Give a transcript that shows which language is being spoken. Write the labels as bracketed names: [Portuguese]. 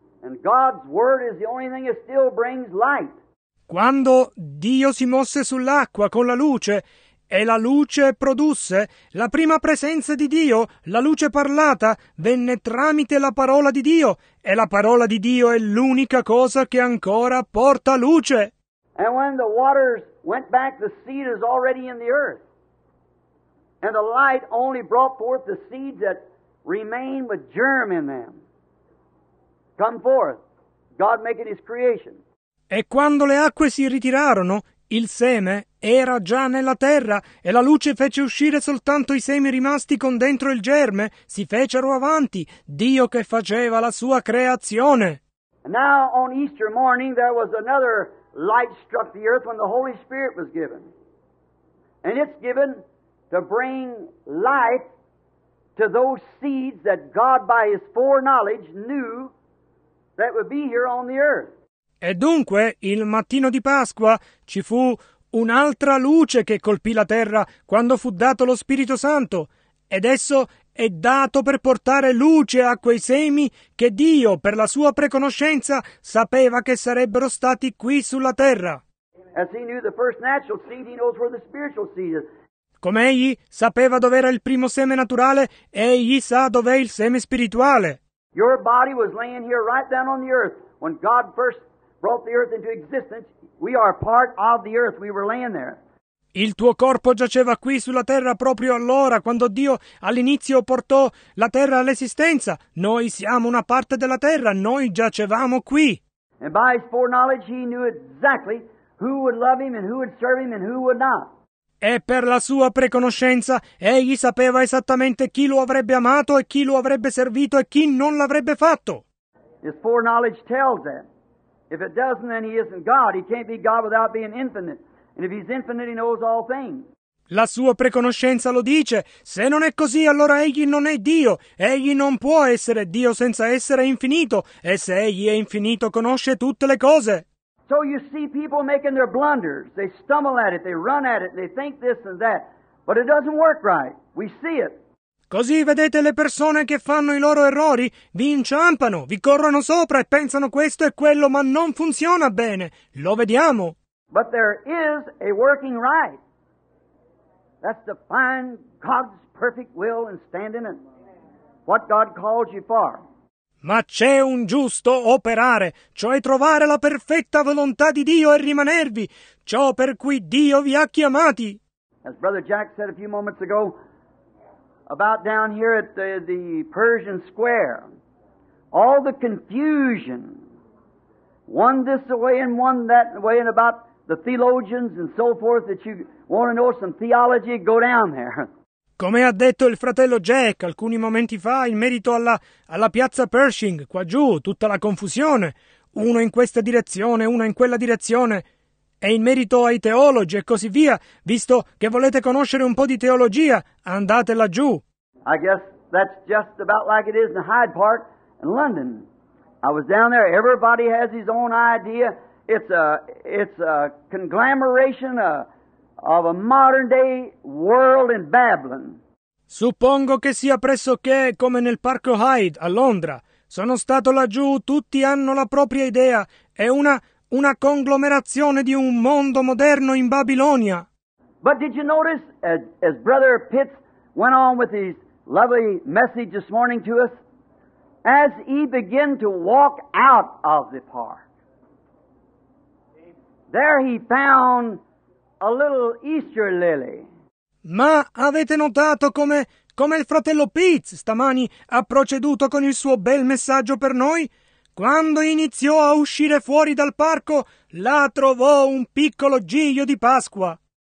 [English] And God's word is the only thing that still brings light. [Italian] Quando Dio si mosse sull'acqua con la luce e la luce produsse, la prima presenza di Dio, la luce parlata, venne tramite la parola di Dio e la parola di Dio è l'unica cosa che ancora porta luce. [English] And when the waters went back, the seed is already in the earth. And the light only brought forth the seeds that remain with germ in them. Come forth, God making his creation. [Italian] E quando le acque si ritirarono, il seme era già nella terra e la luce fece uscire soltanto i semi rimasti con dentro il germe, si fecero avanti, Dio che faceva la sua creazione. [English] And now on Easter morning there was another light struck the earth when the Holy Spirit was given. And it's given to bring life to those seeds that God by his foreknowledge knew that would be here on the earth. [Italian] E dunque, il mattino di Pasqua, ci fu un'altra luce che colpì la terra quando fu dato lo Spirito Santo, ed esso è dato per portare luce a quei semi che Dio, per la sua preconoscenza, sapeva che sarebbero stati qui sulla terra. [English] As he knew the first natural seed, he knows where the spiritual seed is. [Italian] Come egli sapeva dove era il primo seme naturale, egli sa dov'è il seme spirituale. [English] Your body was laying here right down on the earth when God first brought the earth into existence, we are part of the earth. We were laying there. [Italian] Il tuo corpo giaceva qui sulla terra proprio allora, quando Dio all'inizio portò la terra all'esistenza. Noi siamo una parte della terra, noi giacevamo qui. [English] And by his foreknowledge he knew exactly who would love him and who would serve him and who would not. [Italian] E per la sua preconoscenza, egli sapeva esattamente chi lo avrebbe amato e chi lo avrebbe servito e chi non l'avrebbe fatto. [English] His foreknowledge tells that. If it doesn't, then he isn't God. He can't be God without being infinite. And if he's infinite, he knows all things. [Italian] La sua preconoscenza lo dice. Se non è così, allora egli non è Dio. Egli non può essere Dio senza essere infinito. E se egli è infinito, conosce tutte le cose. [English] So you see people making their blunders. They stumble at it, they run at it, they think this and that. But it doesn't work right. We see it. [Italian] Così vedete le persone che fanno i loro errori, vi inciampano, vi corrono sopra e pensano questo e quello, ma non funziona bene. Lo vediamo. [English] But there is a working right. That's to find God's perfect will and stand in it. What God calls you for. [Italian] Ma c'è un giusto operare, cioè trovare la perfetta volontà di Dio e rimanervi, ciò per cui Dio vi ha chiamati. [English] As Brother Jack said a few moments ago, about down here at the Pershing Square, all the confusion, one this way and one that way, and about the theologians and so forth, that you want to know some theology, go down there. [Italian] Come ha detto il fratello Jack alcuni momenti fa in merito alla piazza Pershing, qua giù, tutta la confusione, uno in questa direzione, uno in quella direzione, e in merito ai teologi e così via, visto che volete conoscere un po' di teologia, andate laggiù. [English] I guess that's just about like it is in Hyde Park in London. I was down there, everybody has his own idea, it's a conglomeration of a modern day world in Babylon. [Italian] Suppongo che sia pressoché come nel parco Hyde a Londra. Sono stato laggiù, tutti hanno la propria idea. È una conglomerazione di un mondo moderno in Babilonia. [English] But did you notice as Brother Pitts went on with his lovely message this morning to us, as he began to walk out of the park, there he found a little Easter lily. [Italian] Ma avete notato come il fratello Pitts stamani ha proceduto con il suo bel messaggio per noi? Quando iniziò a uscire fuori dal parco, là trovò un piccolo giglio di Pasqua.